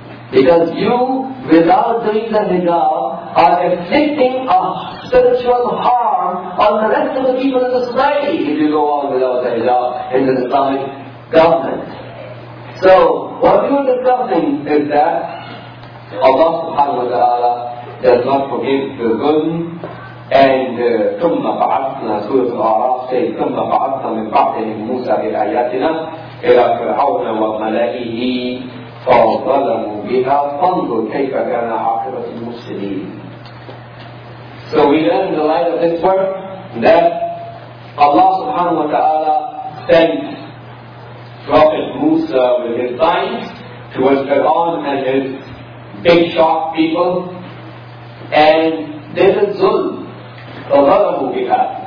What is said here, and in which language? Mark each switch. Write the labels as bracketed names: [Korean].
[English] Because you, without doing the hijab, are inflicting a spiritual harm on the rest of the people in the society if you go on without the hijab in the Islamic government. So, what we are discussing is that Allah subhanahu wa ta'ala does not forgive the zulm, And [Arabic] ثم بعثنا سورة الأعراف سيد ثم بعثنا من بعدهم موسى بآياتنا إلى فرعون وملئه فظلموا بها فانظر كيف كان عاقبة المفسدين. [English] So we learn in the light of this work that Allah subhanahu wa ta'ala sent Prophet Musa with his signs towards Fir'aun and his big shock people, and they did zulm, [Arabic] فَظَلَمُوا بِهَا.